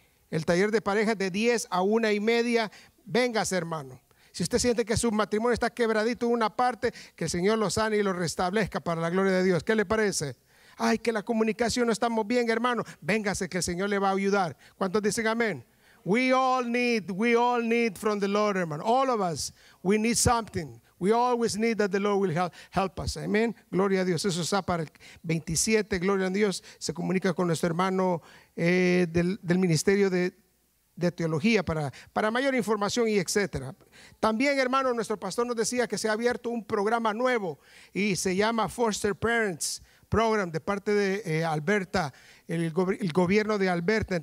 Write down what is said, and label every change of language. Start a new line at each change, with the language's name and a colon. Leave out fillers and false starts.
Spanish: El taller de parejas de 10 a 1 y media. Véngase, hermano. Si usted siente que su matrimonio está quebradito en una parte, que el Señor lo sane y lo restablezca para la gloria de Dios. ¿Qué le parece? Ay, que la comunicación no estamos bien, hermano. Véngase que el Señor le va a ayudar. ¿Cuántos dicen amén?
English: We all need from the Lord, hermano. All of us, we need something. We always need that the Lord will help us.
Spanish: Amen. Gloria a Dios. Eso está para el 27. Gloria a Dios. Se comunica con nuestro hermano del Ministerio de Teología para mayor información y etcétera. También, hermano, nuestro pastor nos decía que se ha abierto un programa nuevo y se llama Foster Parents Program de parte de Alberta, el gobierno de Alberta.